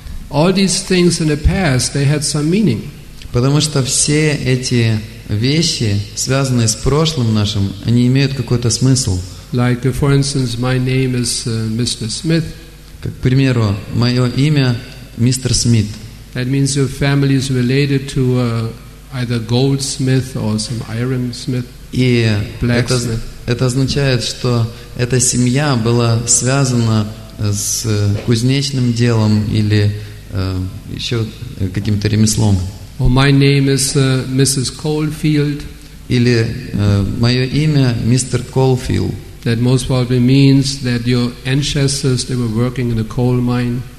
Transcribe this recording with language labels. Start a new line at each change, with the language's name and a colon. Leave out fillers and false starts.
English: All these things in the past, they had some meaning.
Russian: Потому что все эти вещи, связанные с прошлым нашим, они имеют какой-то смысл.
English: Like, for instance, my name is Mr. Smith.
Russian: Как, к примеру, мое имя мистер Смит.
English: That means your family is related to either goldsmith or some iron smith.
Russian: И blacksmith. Это означает, что эта семья была связана с кузнечным делом или еще каким-то ремеслом.
English: Well, my name is Mrs. Caulfield.
Russian: Или мое имя мистер Caulfield.
English: That most probably means that your ancestors, they were working in a coal mine.